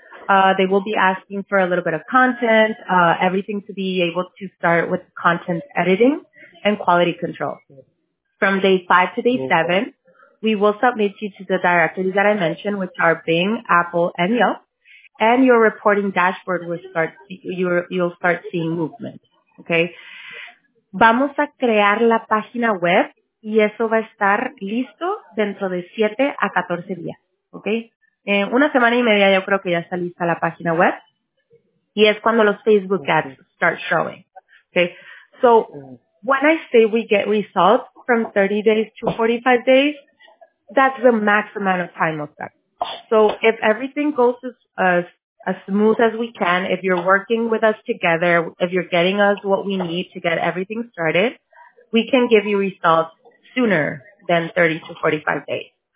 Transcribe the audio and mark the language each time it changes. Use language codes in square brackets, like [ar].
[en] They will be asking for a little bit of content, everything to be able to start with content editing and quality control. From day 5 to day 7, we will submit you to the directories that I mentioned, which are Bing, Apple, and Yelp, and your reporting dashboard will start, you'll start seeing movement. Okay. [es] Vamos a crear la página web y eso va a estar listo dentro de 7 a 14 días. Okay. Una semana y media yo creo que ya está lista la página web. Y es cuando los Facebook ads [en] start showing. Okay. So when I say we get results from 30 days to 45 days, that's the max amount of time of that. So if everything goes as smooth as we can, if you're working with us together, if you're getting us what we need to get everything started, we can give you results sooner than 30 to 45 days.